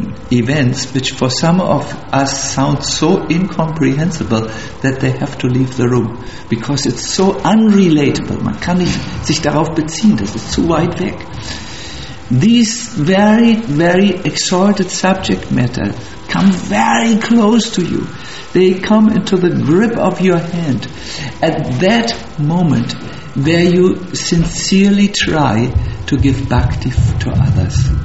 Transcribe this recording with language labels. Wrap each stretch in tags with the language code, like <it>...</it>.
<en>events which for some of us sound so incomprehensible that they have to leave the room because it's so unrelatable.</en> <de>Man kann nicht sich darauf beziehen, das ist zu weit weg.</de> <en>These very, very exalted subject matter come very close to you. They come into the grip of your hand. At that moment, where you sincerely try to give bhakti to others.</en>